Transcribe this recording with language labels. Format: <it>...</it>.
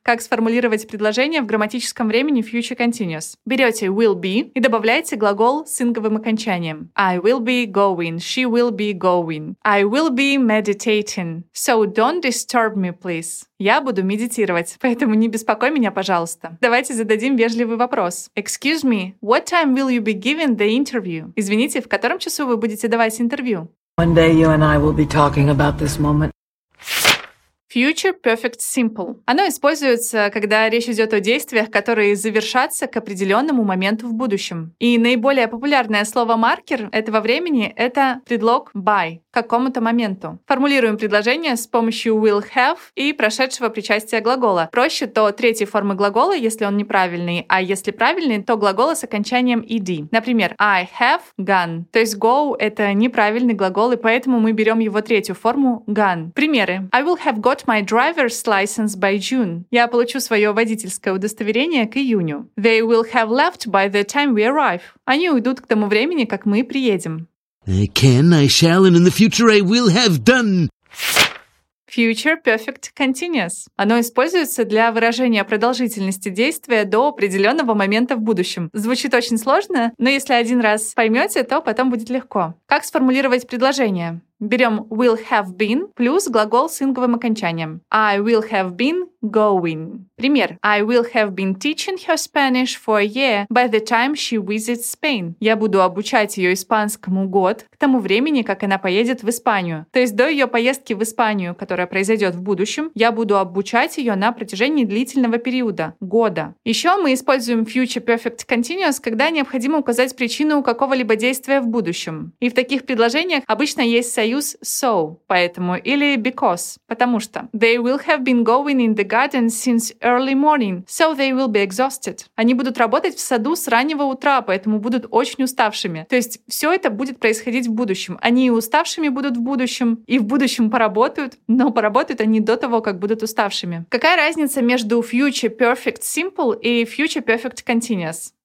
<ru>Как сформулировать предложение в грамматическом времени future continuous? Берете will be и добавляете глагол с инговым окончанием.</ru> <en>I will be going. She will be going. I will be meditating. So don't disturb me, please.</en> <ru>Я буду медитировать, поэтому не беспокой меня, пожалуйста. Давайте зададим вежливый вопрос.</ru> <en>Excuse me, what time will you be giving the interview?</en> <ru>Извините, в котором часу вы будете давать интервью?</ru> <en>One day you and I will be talking about this moment. Future Perfect Simple.</en> <ru>Оно используется, когда речь идет о действиях, которые завершатся к определенному моменту в будущем. И наиболее популярное слово-маркер этого времени — это предлог by к какому-то моменту. Формулируем предложение с помощью will have и прошедшего причастия глагола. Проще, то третьей формы глагола, если он неправильный, а если правильный, то глагола с окончанием ed. Например,</ru> <en>I have gone.</en> <ru>То есть go — это неправильный глагол, и поэтому мы берем его третью форму gone. Примеры.</ru> <en>I will have gone. Got my driver's license by June.</en> <ru>Я получу свое водительское удостоверение к июню.</ru> <en>They will have left by the time we arrive.</en> <ru>Они уйдут к тому времени, как мы приедем.</ru> <en>I can, I shall, and in the future I will have done. Future Perfect Continuous.</en> <ru>Оно используется для выражения продолжительности действия до определенного момента в будущем. Звучит очень сложно, но если один раз поймете, то потом будет легко. Как сформулировать предложение? Берем will have been плюс глагол с инговым окончанием.</ru> <en>I will have been going.</en> <ru>Пример.</ru> <en>I will have been teaching her Spanish for a year by the time she visits Spain.</en> <ru>Я буду обучать ее испанскому год к тому времени, как она поедет в Испанию. То есть до ее поездки в Испанию, которая произойдет в будущем, я буду обучать ее на протяжении длительного периода, года. Еще мы используем future perfect continuous, когда необходимо указать причину какого-либо действия в будущем. И в таких предложениях обычно есть союз so, поэтому, или because, потому что.</ru> <en>They will have been going in the garden since early morning, so they will be exhausted.</en> <ru>Они будут работать в саду с раннего утра, поэтому будут очень уставшими. То есть все это будет происходить в будущем. Они и уставшими будут в будущем, и в будущем поработают, но поработают они до того, как будут уставшими. Какая разница между future perfect simple и future perfect continuous?</ru>